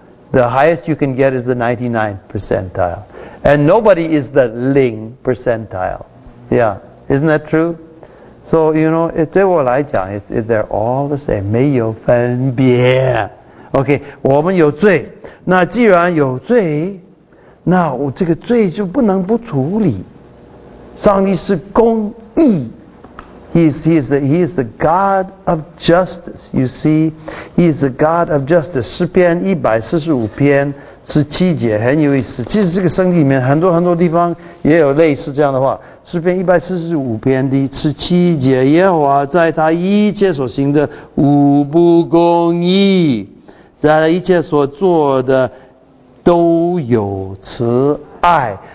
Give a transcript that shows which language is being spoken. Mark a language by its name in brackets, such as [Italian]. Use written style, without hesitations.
[English] The highest you can get is the 99th percentile, and nobody is the 零 percentile. Yeah, isn't that true? So you know, [Chinese] 对我来讲 [English] they're all the same. [Chinese] 没有分别。Okay, 我们有罪。那既然有罪，那我这个罪就不能不处理。上帝是公义， [English] He is the God of justice. You see, He is the God of justice. [Chinese] 诗篇145:17，很有意思。其实这个圣经里面很多很多地方也有类似这样的话。诗篇145:17，耶和华在他一切所行的无不公义，在他一切所做的都有慈爱。